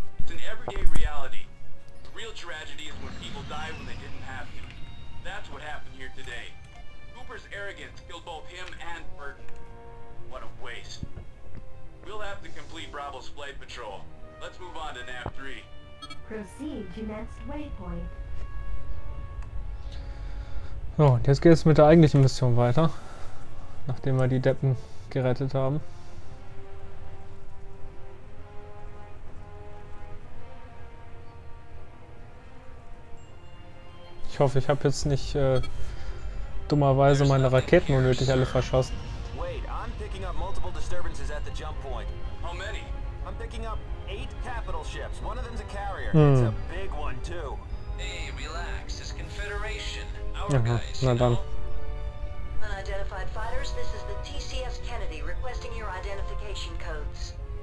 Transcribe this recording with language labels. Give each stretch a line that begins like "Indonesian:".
English: It's an everyday reality. The real tragedy is when people die when they didn't have to. That's what happened here today. Cooper's arrogance killed both him and Burton. What a waste. We'll have to complete Bravo's flight patrol. Let's move on to Nav 3. Proceed to next waypoint.
German: So, und jetzt geht es mit der eigentlichen Mission weiter. Nachdem wir die Deppen gerettet haben. Ich hoffe, ich habe jetzt nicht dummerweise meine Raketen unnötig alle verschossen.
English: Wait, I'm picking up multiple disturbances at the jump point. How many? I'm picking up 8 capital ships. One of them's a carrier. It's a big one too. Hey, relax. It's Confederation.
German: Na dann.
English: Unidentified fighters, this is the TCS Kennedy requesting your identification codes.